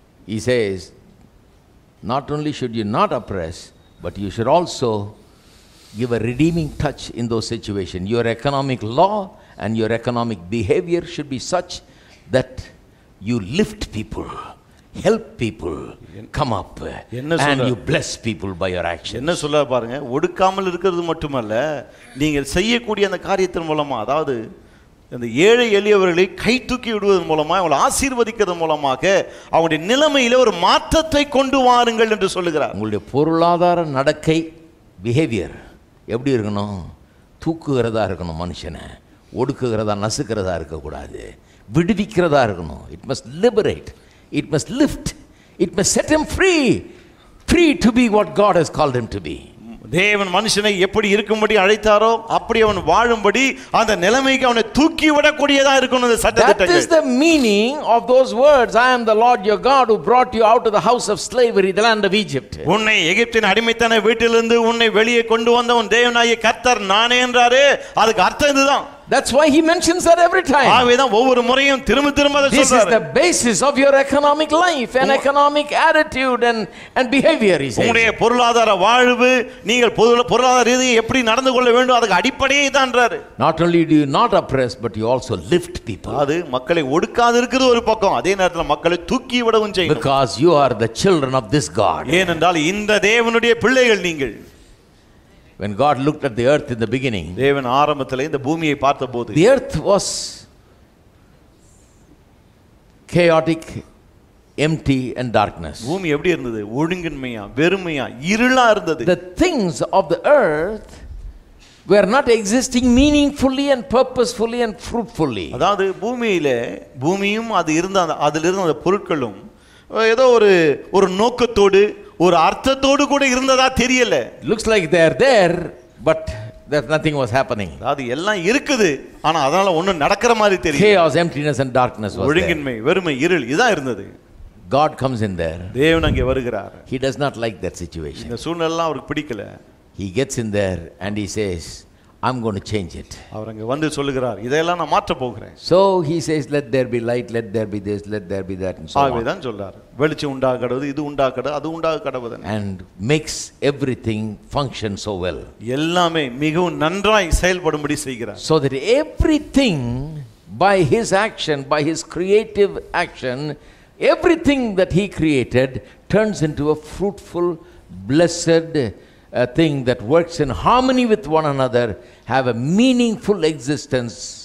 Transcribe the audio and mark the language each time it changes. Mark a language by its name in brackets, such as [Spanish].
[English] He says, not only should you not oppress, but you should also give a redeeming touch in those situations. Your economic law and your economic behavior should be such that you lift people, help people come up, and you bless people by your actions. [Tamil] என்ன சொல்ல பாருங்க, ஒடுக்காமல் இருக்கிறது மட்டுமல்ல, நீங்கள் செய்யக்கூடிய அந்த காரியத்தின் மூலமா, அதாவது அந்த ஏழை எளியவர்களை கை தூக்கி விடுவதன் மூலமாக, அவங்களை ஆசீர்வதிக்கிறதன் மூலமாக அவங்களுடைய நிலைமையில ஒரு மாற்றத்தை கொண்டு வாருங்கள் என்று சொல்லுகிறார். உங்களுடைய பொருளாதார நடக்கை பிஹேவியர் எப்படி இருக்கணும்? தூக்குகிறதா இருக்கணும் மனுஷனை, ஒடுக்குகிறதா நசுக்கிறதா இருக்கக்கூடாது, விடுவிக்கிறதா இருக்கணும். [English] It must liberate, it must lift, it must set him free free to be what God has called him to be. [Tamil] தேவன் மனுஷனை எப்படி இருக்கும்படி அழைத்தாரோ அப்படி அவன் வாழும்படி அந்த நிலைமைக்கு அவனை தூக்கி விடக்கூடியதா இருக்கணும். [English] That is the meaning of those words, I am the Lord your God who brought you out of the house of slavery, the land of Egypt. [Tamil] உன்னை எகிப்தின் அடிமைத்தன வீட்டிலிருந்து உன்னை வெளியே கொண்டு வந்த உன் தேவனாகிய கர்த்தர் நானே என்றாரே, அதுக்கு அர்த்தம் இதுதான். [English] That's why he mentions that every time. [Tamil] ஆவேதான் ஒவ்வொரு முறையும் திரும்ப திரும்ப அதை சொல்றாரு. [English] This is the basis of your economic life and economic attitude and behavior, he says. [Tamil] உங்களுடைய பொருளாதார வாழ்வு, நீங்கள் பொருளாதார ரீதியா எப்படி நடந்து கொள்ள வேண்டும், அதுக்கு அடிப்படையே தான்றாரு. [English] Not only do you not oppress but you also lift people. [Tamil] அது மக்களை ஒடுக்காதிருக்கிறது ஒரு பக்கம், அதே நேரத்துல மக்களை தூக்கி விடவும் செய்யும். [English] Because you are the children of this God. [Tamil] ஏனென்றால் இந்த தேவனுடைய பிள்ளைகள் நீங்கள். [English] When God looked at the earth in the beginning, [Tamil] தேவன் ஆரம்பத்தில் இந்த பூமியை பார்த்தபோது, [English] the earth was chaotic, empty and darkness. [Tamil] பூமி எப்படி இருந்தது? ஒழுங்கின்மையா, வெறுமையா, இருளா இருந்தது. [English] The things of the earth were not existing meaningfully and purposefully and fruitfully. [Tamil] அதாவது பூமியில பூமியும் அது இருந்த அதிலிருந்து அந்த பொருட்களும் ஏதோ ஒரு ஒரு நோக்கத்தோடு ஒரு அர்த்தத்தோடு கூட இருந்ததா தெரியல. [English] Looks like they are there but there's nothing was happening. [Tamil] அது எல்லாம் இருக்குது ஆனா அதனால ஒண்ணும் நடக்கிற மாதிரி தெரியல. [English] Chaos, emptiness and darkness was there. [Tamil] ஒழுங்கின்மை, வெறுமை, இருள் இதா இருந்தது. [English] God comes in there. [Tamil] தேவன் அங்கே வருகிறார். [English] He does not like that situation. [Tamil] இந்த சூழ்நிலை அவருக்கு பிடிக்கல. [English] He gets in there and he says, I'm going to change it. [Tamil] அவர் அங்க வந்து சொல்கிறார், இதையெல்லாம் நான் மாற்ற போகிறேன். [English] So he says, let there be light, let there be this, let there be that and so on. [Tamil] அவர் தான் சொல்றார், வெளிச்சம் உண்டாகடவது, இது உண்டாகடவது, அது உண்டாகடவது. [English] And makes everything function so well. [Tamil] எல்லாமே மிகவும் நன்றாய் செயல்படும்படி செய்கிறார். [English] So that everything by his action, by his creative action, everything that he created turns into a fruitful, blessed a thing that works in harmony with one another, have a meaningful existence.